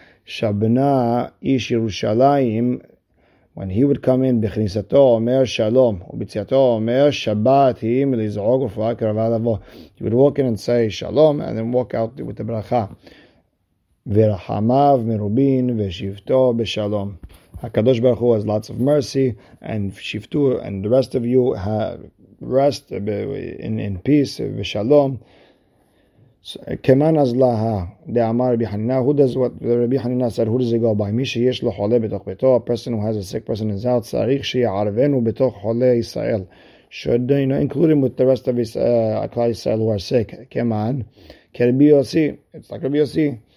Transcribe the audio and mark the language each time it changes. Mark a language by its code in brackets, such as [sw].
[he] שבנה איש ירושלים, [en] when he would come in, [he] בכניסתו אומר שלום, וביציאתו אומר שבת היא מלזעוק ורפואה קרבה לבוא. [en] He would walk in and say שלום, and then walk out with the ברכה. [he] ורחמיו מרובין ושבטו בשלום. [en] הקדוש ברוך הוא has lots of mercy and שבטו and the rest of you rest in peace ושלום. [he] כמן אז לה, דאמר רבי חנינא, [en] who does what רבי חנינא said, who does it go by? [he] מי שיש לו חולה בתוך ביתו, [en] a person who has a sick person in his house, [he] צריך שיערבנו בתוך חולי ישראל. [en] Should include him with the rest of his Klal Yisrael who are sick. [he] כמן, כרבי יוסי, [en] it's like [he] רבי יוסי.